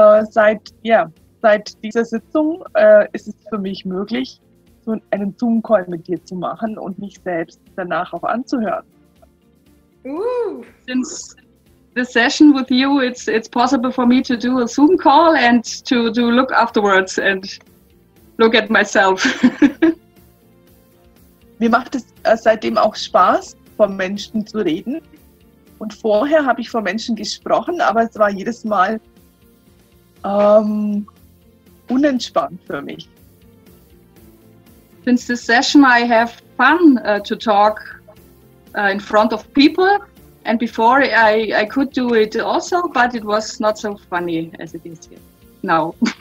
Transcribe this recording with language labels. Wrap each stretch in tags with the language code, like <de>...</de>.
<de>Seit dieser Sitzung ist es für mich möglich, so einen Zoom-Call mit dir zu machen und mich selbst danach auch anzuhören.</de> <en>Since the session with you, it's possible for me to do a Zoom call and to look afterwards and look at myself.</en> <de>Mir macht es seitdem auch Spaß, vor Menschen zu reden. Und vorher habe ich vor Menschen gesprochen, aber es war jedes Mal unentspannt für mich.</de> <en>Since this session, I have fun to talk in front of people. And before, I could do it also, but it was not so funny as it is here now.</en>